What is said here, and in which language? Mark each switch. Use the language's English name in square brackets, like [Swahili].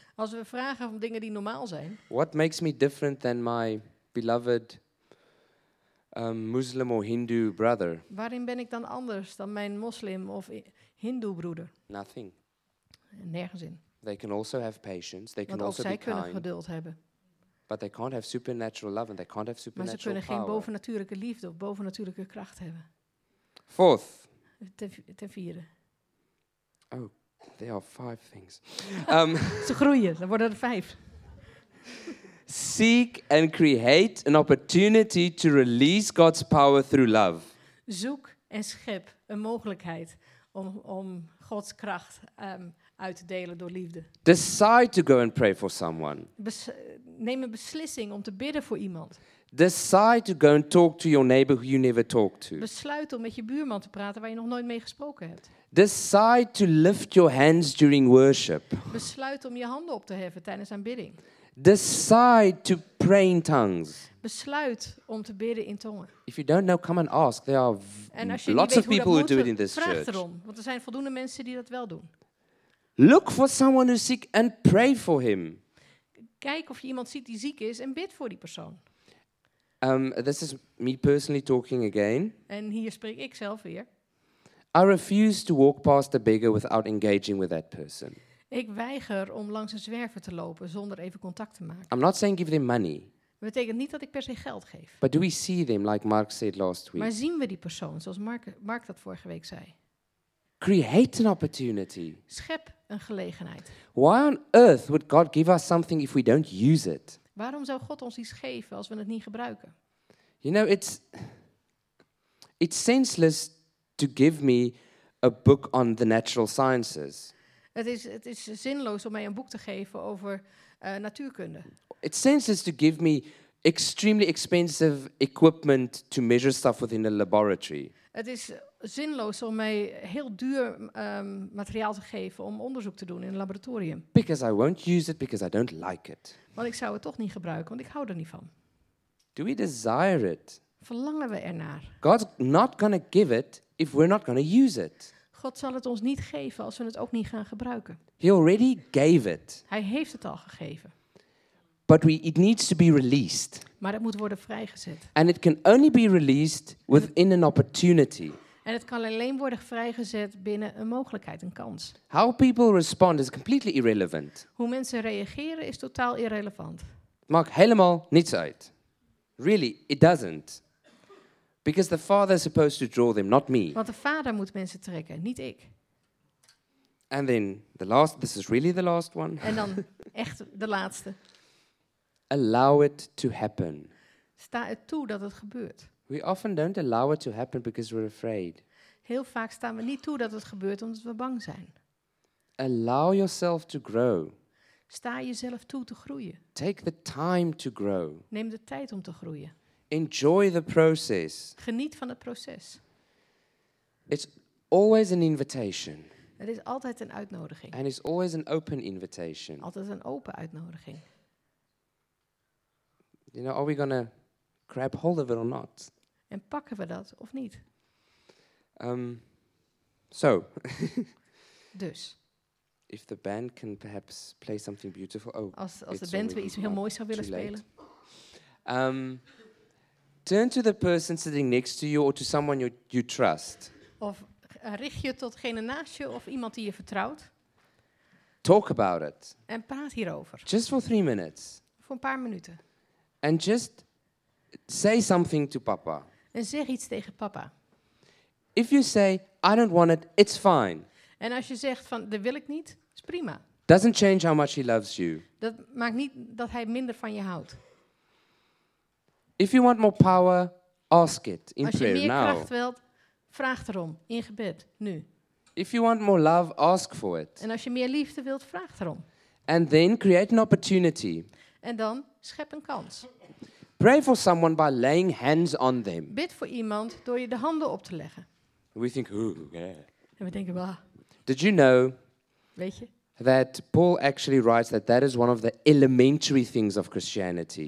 [Dutch] Als we vragen om dingen die normaal zijn. [English] What makes me different than my beloved Muslim or Hindu brother. [Dutch] Waarin ben ik dan anders dan mijn moslim of Hindu broeder? [English] Nothing. [Dutch] Nergens in. [English] They can also have patience. They [Dutch] Want [English] can also be kind. [Dutch] Want ook zij kunnen geduld hebben. [English] But they can't have supernatural love and they can't have supernatural power. [Dutch] Maar ze kunnen geen [English] power. [Dutch] Bovennatuurlijke liefde of bovennatuurlijke kracht hebben. [English] Fourth. [Dutch] Ten vierde. [English] Oh, there are five things. [Dutch] ze groeien. Dan worden er vijf. [English] Seek and create an opportunity to release God's power through love. [Dutch] Zoek en schep een mogelijkheid om Gods kracht uit te delen door liefde. [English] Decide to go and pray for someone. [Dutch] Neem een beslissing om te bidden voor iemand. [English] Decide to go and talk to your neighbor who you never talked to. [Dutch] Besluit om met je buurman te praten waar je nog nooit mee gesproken hebt. [English] Decide to lift your hands during worship. [Dutch] Besluit om je handen op te heffen tijdens aanbidding. [English] Decide to pray in tongues. [Dutch] Besluit om te bidden in tongen. [English] If you don't know, come and ask. There are lots of people who do it in this church. [Dutch] Vraag erom, want er zijn voldoende mensen die dat wel doen. [English] Look for someone who's sick and pray for him. [Dutch] Kijk of je iemand ziet die ziek is en bid voor die persoon. [English] This is me personally talking again. [Dutch] En hier spreek ik zelf weer. [English] I refuse to walk past a beggar without engaging with that person. [Dutch] Ik weiger om langs een zwerver te lopen zonder even contact te maken. [English] I'm not saying give them money. [Dutch] Dat betekent niet dat ik per se geld geef. [English] But do we see them like Mark said last week? [Dutch] Maar zien we die persoon zoals Mark dat vorige week zei? [English] Create an opportunity. [Dutch] Schep een gelegenheid. [English] Why on earth would God give us something if we don't use it? [Dutch] Waarom zou God ons iets geven als we het niet gebruiken? [English] You know, it's senseless to give me a book on the natural sciences. [Dutch] Het is zinloos om mij een boek te geven over natuurkunde. [English] It's senseless to give me extremely expensive equipment to measure stuff within a laboratory. [Dutch] Het is zinloos om mij heel duur materiaal te geven om onderzoek te doen in een laboratorium. [English] Because I won't use it, because I don't like it. [Dutch] Want ik zou het toch niet gebruiken, want ik hou er niet van. [English] Do we desire it? [Dutch] Verlangen we ernaar? [English] God's not gonna give it if we're not gonna use it. [Dutch] God zal het ons niet geven als we het ook niet gaan gebruiken. [English] He already gave it. [Dutch] Hij heeft het al gegeven. [English] But it needs to be released. [Dutch] Maar het moet worden vrijgezet. [English] And it can only be released within an opportunity. [Dutch] En het kan alleen worden vrijgezet binnen een mogelijkheid, een kans. [English] How people respond is completely irrelevant. [Dutch] Hoe mensen reageren is totaal irrelevant. Maakt helemaal niets uit. [English] Really, it doesn't. Because the Father is supposed to draw them, not me. [Dutch] Want de Vader moet mensen trekken, niet ik. [English] And then the last, this is really the last one. [Dutch] En dan echt de laatste. [English] Allow it to happen. [Dutch] Sta het toe dat het gebeurt. [English] We often don't allow it to happen because we're afraid. [Dutch] Heel vaak staan we niet toe dat het gebeurt omdat we bang zijn. [English] Allow yourself to grow. [Dutch] Sta jezelf toe te groeien. [English] Take the time to grow. [Dutch] Neem de tijd om te groeien. [English] Enjoy the process. [Dutch] Geniet van het proces. [English] It's always an invitation. [Dutch] Het is altijd een uitnodiging. [English] And it's always an open invitation. [Dutch] Altijd een open uitnodiging. [English] You know, are we gonna grab hold of it or not? [Dutch] En pakken we dat of niet? [English] So. [Dutch] Dus. [English] If the band can perhaps play something beautiful. Oh, [Dutch] als de band weer iets heel moois zou willen spelen. [English] Turn to the person sitting next to you or to someone you trust. [Dutch] Of richt je totgene naast je of iemand die je vertrouwt. [English] Talk about it. [Dutch] En praat hierover. [English] Just for 3 minutes. [Dutch] Voor een paar minuten. [English] And just say something to papa. [Dutch] En zeg iets tegen papa. [English] If you say, I don't want it, it's fine. [Dutch] En als je zegt van, dat wil ik niet, is prima. [English] Doesn't change how much he loves you. [Dutch] Dat maakt niet dat hij minder van je houdt. [English] If you want more power, ask it in prayer [Dutch] Als je meer kracht wilt, vraag erom in gebed nu. [English] If you want more love, ask for it. [Dutch] En als je meer liefde wilt, vraag erom. [English] And then create an opportunity. [Dutch] En dan schep een kans. [English] Pray for someone by laying hands on them. [Dutch] Bid voor iemand door je de handen op te leggen. [English] We think, ooh, yeah. [Dutch] En we denken, wow. [English] Did you know, [Dutch] weet je, [English] that Paul actually writes that is one of the elementary things of Christianity?